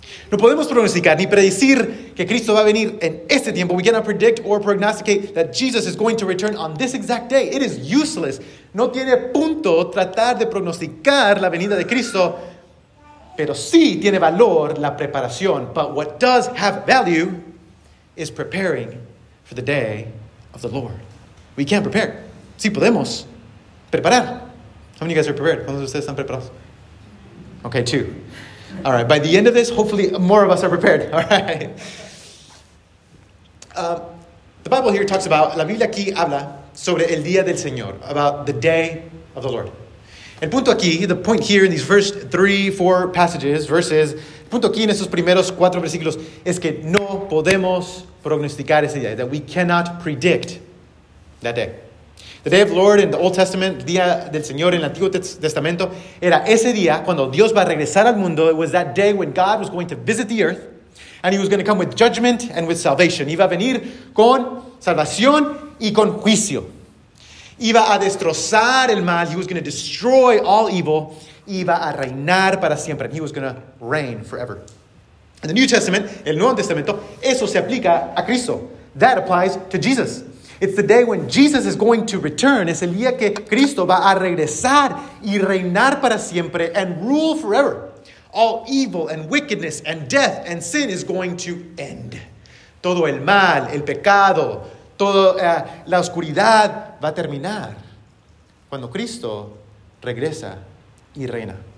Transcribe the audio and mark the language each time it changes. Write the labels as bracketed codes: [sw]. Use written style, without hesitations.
[es] No podemos pronosticar ni predecir que Cristo va a venir en este tiempo. [en] We cannot predict or prognosticate that Jesus is going to return on this exact day. It is useless. [es] No tiene punto tratar de pronosticar la venida de Cristo. Pero sí tiene valor la preparación. [en] But what does have value is preparing for the day of the Lord. We can prepare. [es] Sí, podemos preparar. [en] How many of you guys are prepared? [es] ¿Cuántos de ustedes están preparados? [en] Okay, two. All right, by the end of this, hopefully more of us are prepared. All right. The Bible here talks about, [es] la Biblia aquí habla sobre el día del Señor, [en] about the day of the Lord. [es] El punto aquí, [en] the point here in these first three, four passages, verses, [es] el punto aquí en estos primeros cuatro versículos es que no podemos prognosticar ese día, [en] that we cannot predict that day. The day of the Lord in the Old Testament, [es] Día del Señor en el Antiguo Testamento, era ese día cuando Dios va a regresar al mundo. [en] It was that day when God was going to visit the earth and he was going to come with judgment and with salvation. [es] Iba a venir con salvación y con juicio. Iba a destrozar el mal. [en] He was going to destroy all evil. [es] Iba a reinar para siempre. [en] And he was going to reign forever. In the New Testament, [es] el Nuevo Testamento, eso se aplica a Cristo. [en] That applies to Jesus. It's the day when Jesus is going to return. [es] Es el día que Cristo va a regresar y reinar para siempre [en] and rule forever. All evil and wickedness and death and sin is going to end. [es] Todo el mal, el pecado, toda la oscuridad va a terminar cuando Cristo regresa y reina.